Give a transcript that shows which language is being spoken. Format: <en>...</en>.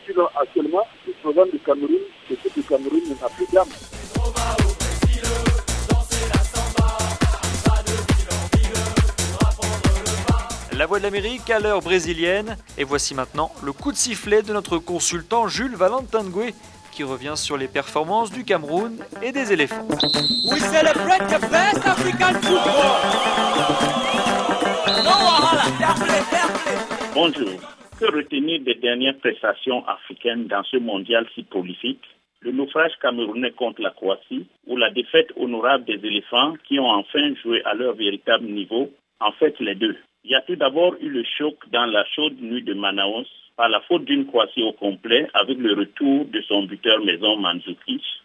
<fr>Sinon, actuellement, le président du Cameroun, l'équipe du Cameroun n'a plus d'âme. La Voix de l'Amérique à l'heure brésilienne. Et voici maintenant le coup de sifflet de notre consultant Jules Valentin Ngwe, qui revient sur les performances du Cameroun et des éléphants.</fr> <en>We celebrate the best African football.</en> <fr>Bonjour. Que retenir des dernières prestations africaines dans ce mondial si prolifique? Le naufrage camerounais contre la Croatie ou la défaite honorable des éléphants qui ont enfin joué à leur véritable niveau? En fait, les deux. Il y a tout d'abord eu le choc dans la chaude nuit de Manaus par la faute d'une Croatie au complet avec le retour de son buteur maison Mandzukic.</fr>